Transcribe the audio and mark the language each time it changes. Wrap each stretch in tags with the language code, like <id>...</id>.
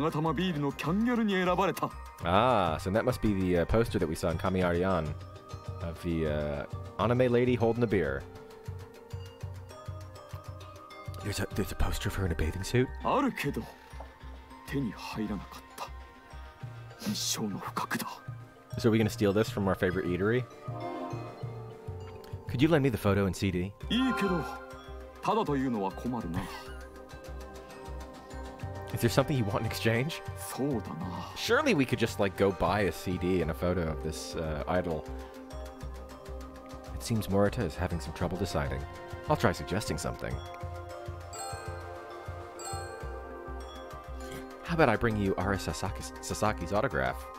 <ja>確かに痛いが、これがマニアに受けた。そして、マガタマビールのキャンギャルに選ばれた。</ja> <en>Ah, so that must be the poster that we saw in Kami Arian of the anime lady holding a beer. There's a poster of her in a bathing suit?</en> <ja>あるけど、手に入らなかった。一生の不覚だ。</ja> <en>So are we gonna steal this from our favorite eatery? Could you lend me the photo and CD?</en> <ja>いいけど、ただというのは困るな。Is</ja> <en>there something you want in exchange?</en> <ja>そうだな。Surely</ja> <en>we could just like go buy a CD and a photo of this idol. It seems Morita is having some trouble deciding. I'll try suggesting something. How about I bring you Ara Sasaki's autograph?</en>